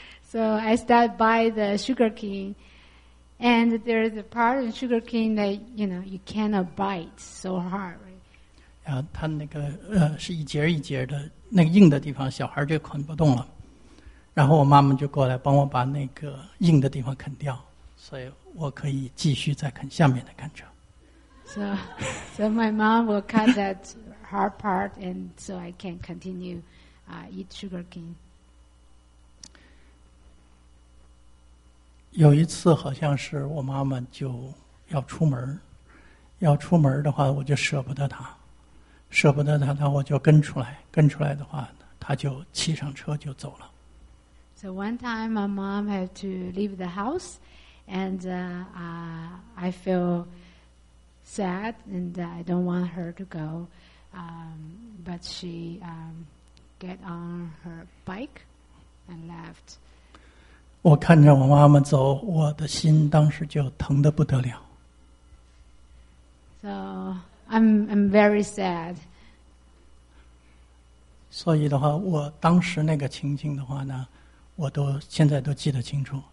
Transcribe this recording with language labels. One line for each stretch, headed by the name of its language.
English: So I start by the sugar cane, and there is a part of sugar cane that you know you cannot bite so hard. Right?
Chinese: Yeah, 它那个是一节一节的，那个硬的地方小孩就啃不动了。然后我妈妈就过来帮我把那个硬的地方啃掉，所以我可以继续再啃下面的甘蔗。
English: So my mom will cut that hard part, and so I can continue, eat sugar cane.
Chinese: 有一次好像是我妈妈就要出门，要出门的话我就舍不得她，舍不得她，她我就跟出来，跟出来的话她就骑上车就走了。
English: So one time my mom had to leave the house, and I feel sad, and I don't want her to go. But she get on her bike and left.
Chinese: 我看着我妈妈走，我的心当时就疼得不得了。
English: So I'm very sad.
Chinese: 所以的话，我当时那个情景的话呢，我都现在都记得清楚。